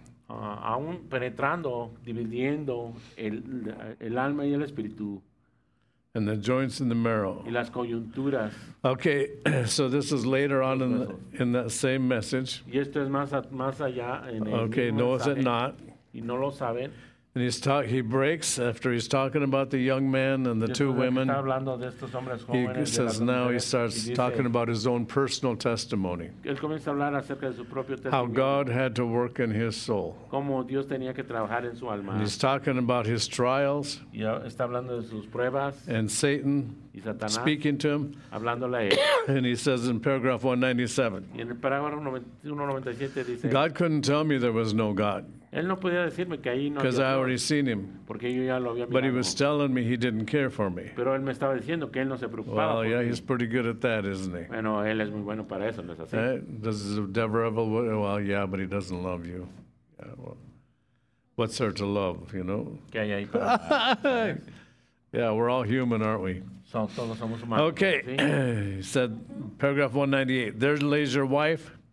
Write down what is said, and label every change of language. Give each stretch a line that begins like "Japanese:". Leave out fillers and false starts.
Spanish: Aún penetrando, dividiendo el alma y el espíritu.
English: And the joints and the marrow.
Spanish: Y las coyunturas.
English: Okay, so this is later on in that same message.
Spanish: Y esto es más allá en el
English: okay, knoweth it not.
Spanish: Y no lo saben.
English: And he breaks after he's talking about the young man and the two women.
Spanish: Está hablando de estos hombres jóvenes,
English: he says
Spanish: de las mujeres,
English: now he starts
Spanish: dice,
English: talking about his own personal testimony.
Spanish: Él comienza a hablar acerca de su propio testimonio,
English: how God had to work in his soul.
Spanish: Cómo Dios tenía que trabajar en su alma.
English: And he's talking about his trials.
Spanish: Y está hablando de sus pruebas.
English: And Satan
Spanish: y Satanás,
English: speaking to him.
Spanish: Hablándole a él.
English: And he says in paragraph 197.
Spanish: Y en el parágrafo 197 dice,
English: God couldn't tell me there was no God.
Spanish: Él no podía decirme que ahí no
English: because I already
Spanish: no,
English: seen him.
Spanish: Porque yo ya lo había mirado.
English: But he was telling me he didn't care for me.
Spanish: Pero él me estaba diciendo que él no se preocupaba.
English: Well,
Spanish: por
English: yeah,
Spanish: mí.
English: He's pretty good at that, isn't he?
Spanish: Bueno, él es muy bueno para eso, ¿no es así?
English: Does the devil well, yeah, but he doesn't love you. Yeah, well, what's there to love, you know?
Spanish: ¿Qué hay ahí para
English: yeah, we're all human, aren't we?
Spanish: Todos somos humanos.
English: Okay,
Spanish: ¿sí?
English: He said, paragraph 198, there lays your wife.